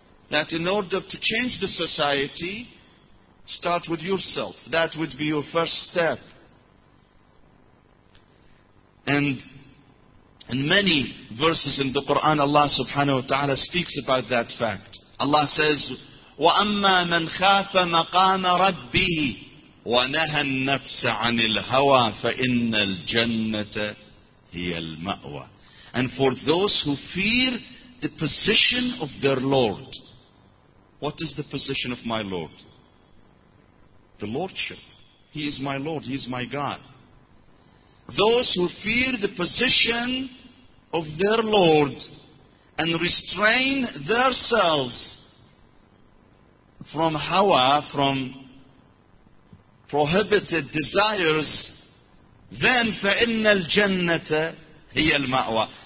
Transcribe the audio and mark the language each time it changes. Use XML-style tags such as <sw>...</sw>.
<en>That in order to change the society, start with yourself. That would be your first step. And in many verses in the Quran, Allah subhanahu wa ta'ala speaks about that fact. Allah says,</en> <ar>وَأَمَّا مَنْ خَافَ مَقَامَ رَبِّهِ وَنَهَى النَّفْسَ عَنِ الْهَوَى فَإِنَّ الْجَنَّةَ هِيَ الْمَأْوَى.</ar> <en>And for those who fear the position of their Lord. What is the position of my Lord? The Lordship. He is my Lord. He is my God. Those who fear the position of their Lord and restrain themselves from hawa, from prohibited desires, then</en> <ar>فَإِنَّ الْجَنَّةَ هِيَ الْمَأْوَى.</ar>